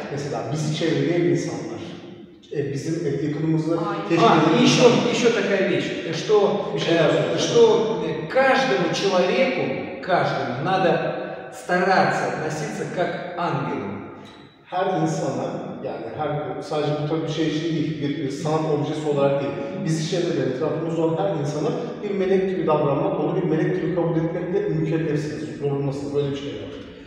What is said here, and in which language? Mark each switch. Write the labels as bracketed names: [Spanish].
[Turkish] Mesela, bizi çevreleyen insanlar. Bizim yakınımızda [Russian] еще такая вещь, что каждому человеку надо стараться относиться как ангелу. [Turkish] Her insana, yani her sadece bu tabii şey için değil, bir sanat objesi olarak değil, bizi çevreden etrafımız olan her insana bir melek gibi davranmak, onu bir melek gibi kabul etmek de mükellefsiniz, zorunlusunuz, böyle bir şey var.